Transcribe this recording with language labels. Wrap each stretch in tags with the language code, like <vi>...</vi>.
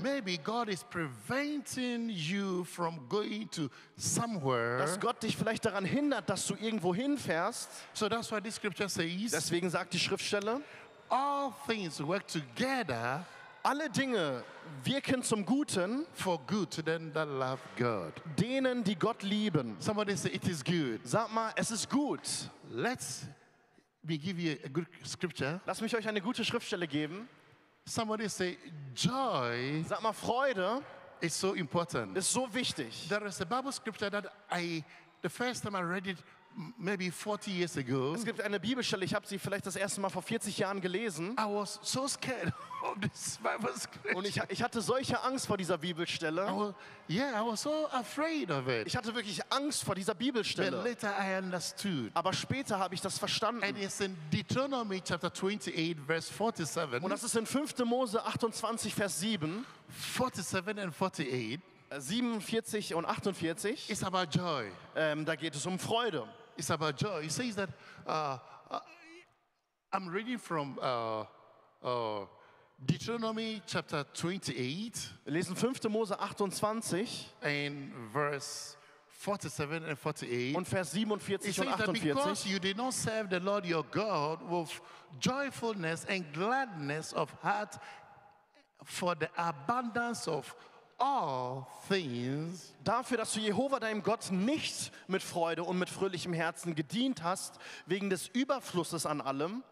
<en>That maybe God is preventing you from going to somewhere.</en> <de>Dass Gott dich vielleicht daran hindert, dass du irgendwo hinfährst.</de> <en>So that's why this scripture says.</en> <de>Deswegen sagt die Schriftstelle.</de> <en>All things work together.</en> <de>Alle Dinge wirken zum Guten.</de> <en>For good to them that love God.</en> <de>Denen, die Gott lieben.</de> <en>Somebody say it is good.</en> <de>Sag mal, es ist gut.</de> <en>Let me give you a good scripture.</en> <de>Lass mich euch eine gute Schriftstelle geben.</de> <en>Somebody say joy.</en> <de>Sag mal, Freude.</de> <en>Is so important.</en> <de>Ist so wichtig.</de> <en>There is a Bible scripture that the first time I read it. Maybe 40 years ago.</en> <de>Es gibt eine Bibelstelle. Ich habe sie vielleicht das erste Mal vor 40 Jahren gelesen.</de> <en>I was so scared of this Bible scripture.</en> <de>Und ich hatte solche Angst vor dieser Bibelstelle.</de> <en>I was so afraid of it.</en> <de>Ich hatte wirklich Angst vor dieser Bibelstelle.</de> <en>But later I understood.</en> <de>Aber später habe ich das verstanden.</de> <en>And it's in Deuteronomy chapter 28 verse 47.</en> <de>Und das ist in 5. Mose 28 Vers 7.</de> <en>47 and 48.</en> <de>47 und 48.</de> <en>It's about joy.</en> <de>Da geht es um Freude.</de> <en>It's about joy. It says that I'm reading from Deuteronomy chapter 28.</en> <de>Wir lesen 5. Mose 28.</de> <en>And verse 47 and 48.</en> <de>Und Vers 47 und 48.</de> <en>It says that because you did not serve the Lord your God with joyfulness and gladness of heart for the abundance of all things.</en> <de>Dafür, dass du Jehova deinem Gott nicht mit Freude und mit fröhlichem Herzen gedient hast, wegen des Überflusses an allem.</de>